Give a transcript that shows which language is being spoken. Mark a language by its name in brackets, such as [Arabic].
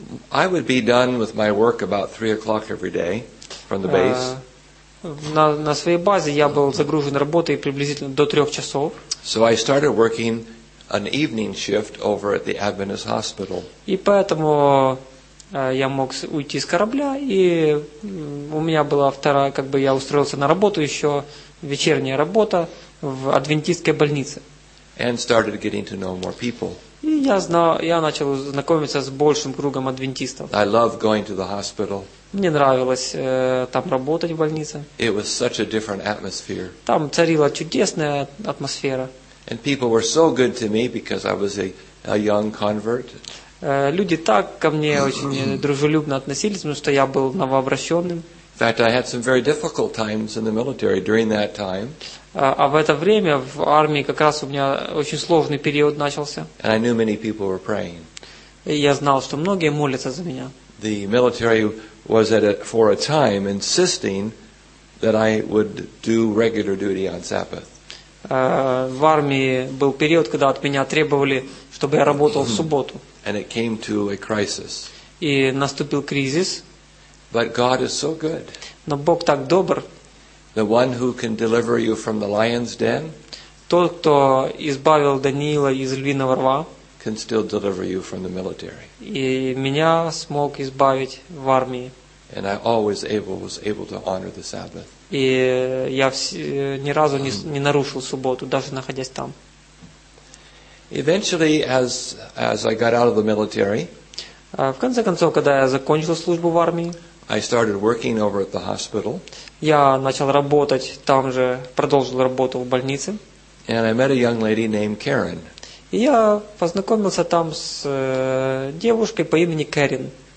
[English] I would be done with my work about 3 o'clock every day from the base. [Russian] На своей базе я был загружен работой приблизительно до 3 часов. [English] So I started working an evening shift over at the Adventist hospital. [Russian] И поэтому я мог уйти с корабля, и у меня была вторая, как бы я устроился на работу еще вечерняя работа в адвентистской больнице. [English] And started getting to know more people. [Russian] И я начал знакомиться с большим кругом адвентистов. [English] I love going to the hospital. [Russian] Мне нравилось там работать в больнице. [English] It was such a different atmosphere. [Russian] Там царила чудесная атмосфера. [English] And people were so good to me because I was a young convert. [Russian] Люди так ко мне очень дружелюбно относились, потому что я был новообращенным. [English] In fact, I had some very difficult times in the military during that time. [Russian] А в это время в армии как раз у меня очень сложный период начался. [English] And I knew many people were praying. [Russian] Я знал, что многие молятся за меня. [English] The military was for a time insisting that I would do regular duty on Sabbath. [Russian] В армии был период, когда от меня требовали, чтобы я работал в субботу. [English] And it came to a crisis. [Russian] И наступил кризис. [English] But God is so good. [Russian] Но Бог так добр. [English] The one who can deliver you from the lion's den. [Russian] Тот, кто избавил Даниила из львиного рва. [English] Can still deliver you from the military. [Russian] И меня смог избавить в армии. [English] And I always was able to honor the Sabbath. [Russian] И я ни разу не нарушил субботу, даже находясь там. [English] Eventually, as I got out of the military, [Russian] в конце концов, когда я закончил службу в армии, [English] I started working over at the hospital. [Russian] Я начал работать там же, продолжил работу в больнице. [English] And I met a young lady named Karen. [Russian] И я познакомился там с девушкой по имени Кэрин.